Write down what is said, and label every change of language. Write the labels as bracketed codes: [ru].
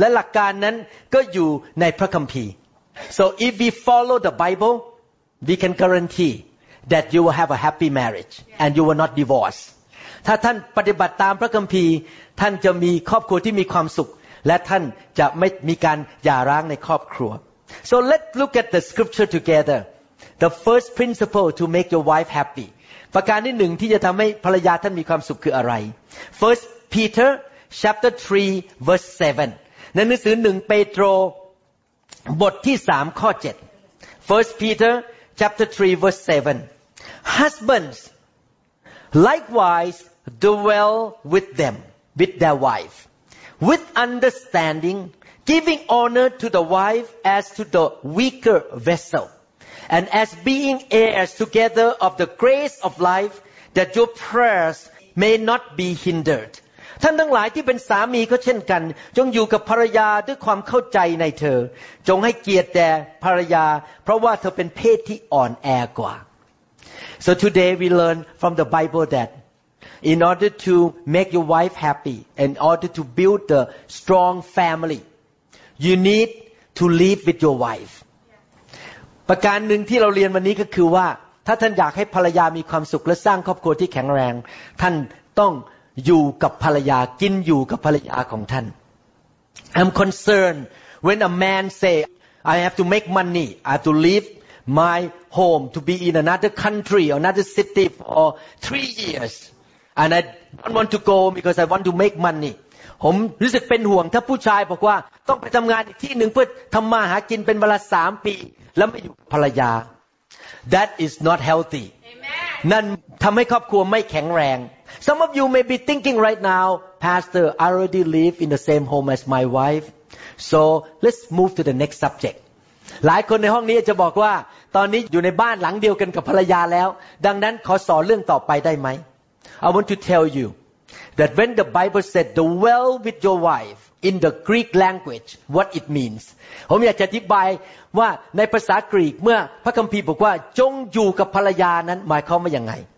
[th] และหลักการนั้นก็อยู่ในพระคัมภีร์ [en] So if we follow the Bible, we can guarantee that you will have a happy marriage and you will not divorce. [th] ถ้าท่านปฏิบัติตามพระคัมภีร์ท่านจะมีครอบครัวที่มีความสุขและท่านจะไม่มีการหย่าร้างในครอบครัว [en] So let's look at the scripture together. The first principle to make your wife happy. [th] ประการที่หนึ่งที่จะทำให้ภรรยาท่านมีความสุขคืออะไร [en] First Peter. Chapter 3 verse 7 [th] ในหนังสือ1เปโตรบทที่3ข้อ7 [en] First Peter chapter 3 verse 7 Husbands likewise dwell with them with their wife with understanding giving honor to the wife as to the weaker vessel and as being heirs together of the grace of life that your prayers may not be hindered [th] ท่านทั้งหลายที่เป็นสามีก็เช่นกันจงอยู่กับภรรยาด้วยความเข้าใจในเธอจงให้เกียรติแด่ภรรยาเพราะว่าเธอเป็นเพศที่อ่อนแอกว่า [en] So today we learn from the Bible that in order to make your wife happy, in order to build a strong family, you need to live with your wife. [th] ประการหนึ่งที่เราเรียนวันนี้ก็คือว่าถ้าท่านอยากให้ภรรยามีความสุขและสร้างครอบครัวที่แข็งแรงท่านต้องอยู่กับภรรยากินอยู่กับภรรยาของท่าน [en] I'm concerned when a man say I have to make money I have to leave my home to be in another country or another city for 3 years and I don't want to go because I want to make money [th] ผมรู้สึกเป็นห่วงถ้าผู้ชายบอกว่าต้องไปทำงานอีกที่หนึ่งเพื่อทำมาหากินเป็นเวลา3 ปีแล้วไม่อยู่กับภรรยา [en] That is not healthy Amen. [th] นั่นทำให้ครอบครัวไม่แข็งแรง [en] Some of you may be thinking right now Pastor I already live in the same home as my wife So let's move to the next subject [th] หลายคนในห้องนี้จะบอกว่าตอนนี้อยู่ในบ้านหลังเดียวกันกับภรรยาแล้วดังนั้นขอสอนเรื่องต่อไปได้ไหม [en] I want to tell you that when the Bible said dwell with your wife in the Greek language what it means [th] ผมอยากจะอธิบายว่าในภาษากรีกเมื่อพระคัมภีร์บอกว่าจงอยู่กับภรรยานั้นหมายความว่ายังไง